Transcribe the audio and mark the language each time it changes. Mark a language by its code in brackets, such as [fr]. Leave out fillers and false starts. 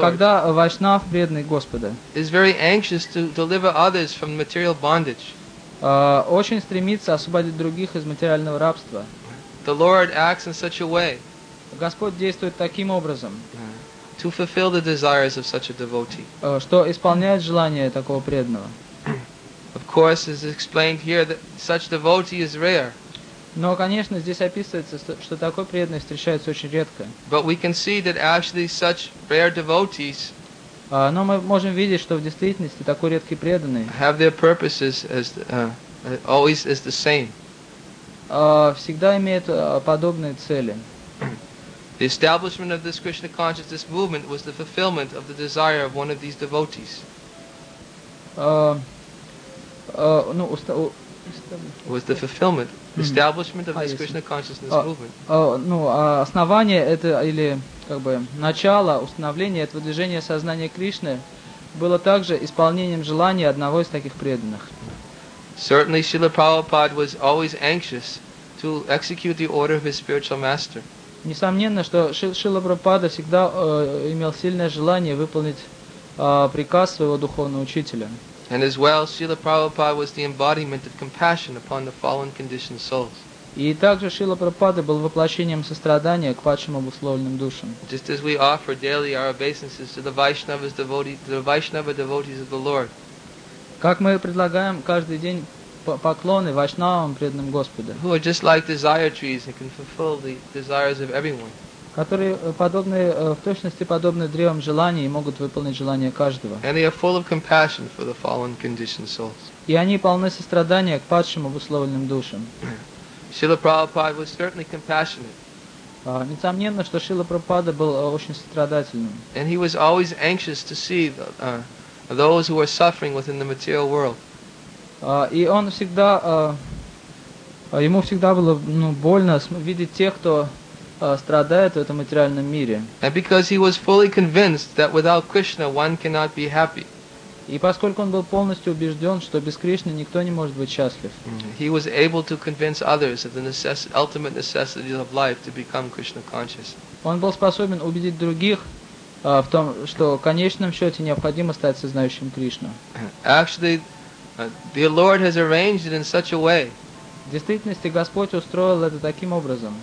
[ru] когда Вайшнав преданный Господа, [en] is very anxious to deliver others from material bondage. [ru] Очень стремится освободить других из материального рабства. [en] The Lord acts in such a way. [ru] Господь действует таким образом. [en] To fulfill the desires of such a devotee. [ru] Что исполняет желание такого преданного. [en] Of course, it is explained here that such devotee is rare. [ru] Но, конечно, здесь описывается, что такой преданный встречается очень редко. [en] But we can see that actually such rare devotees. [ru] Но мы можем видеть, что в действительности такой редкий преданный. [en] Have their purposes as always as the same. [ru] Всегда имеет подобные цели. [en] The establishment of this Krishna consciousness movement was the fulfillment of the desire of one of these devotees. Was the fulfillment, establishment of this Krishna consciousness movement. [ru] Ну, основание это или как бы начало установления этого движения сознания Кришны было также исполнением желания одного из таких преданных. [en] Certainly, Srila Prabhupada was always anxious to execute the order of his spiritual master. [ru] Несомненно, что Шрила Прабхупада всегда имел сильное желание выполнить приказ своего духовного учителя. [en] And as well, Srila Prabhupada was the embodiment of compassion upon the fallen conditioned souls. [ru] И также Шрила Прабхупада был воплощением сострадания к падшим обусловленным душам. [en] Just as we offer daily our obeisances to the Vaishnavas devotees, the Vaishnava devotees of the Lord. [ru] Как мы предлагаем каждый день поклоны вайшнавам, преданным Господу. [en] Who are just like desire trees and can fulfill the desires of everyone. [ru] Которые подобны, в точности подобны древам желаний и могут выполнить желания каждого. [en] And they are full of compassion for the fallen conditioned souls. [ru] И они полны сострадания к падшим обусловленным душам. [en] Srila Prabhupada was certainly compassionate. [ru] Несомненно, что Шрила Прабхупада был очень сострадательным. [en] And he was always anxious to see the, those who are suffering within the material world. [ru] И он всегда, ему всегда было ну, больно видеть тех, кто страдает в этом материальном мире. [en] And because he was fully convinced that without Krishna one cannot be happy. [ru] И поскольку он был полностью убежден, что без Кришны никто не может быть счастлив. [en] He was able to convince others of the ultimate necessity of life to become Krishna conscious. [ru] Он был способен убедить других в том, что в конечном счете необходимо стать сознающим Кришну. [en] Actually, the Lord has arranged it in such a way. [ru] В действительности Господь устроил это таким образом.